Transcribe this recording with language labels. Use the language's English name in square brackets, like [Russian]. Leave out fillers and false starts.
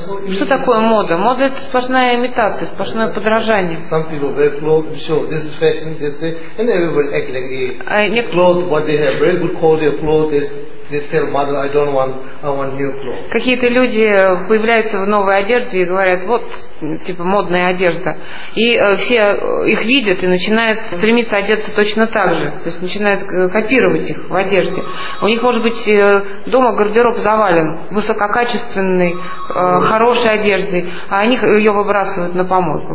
[Russian] Что такое мода? Мода это сплошная имитация, сплошное подражание. [English] Some people wear clothes, sure, this is fashion, they say, and everybody act like a clothes, what they have, very good quality of clothes. They tell mother, I want new clothes. [Russian] Какие-то люди появляются в новой одежде и говорят, вот, типа, модная одежда. И все их видят и начинают стремиться одеться точно так же. То есть начинают копировать их в одежде. У них, может быть, дома гардероб завален высококачественной, хорошей одеждой, а они ее выбрасывают на помойку.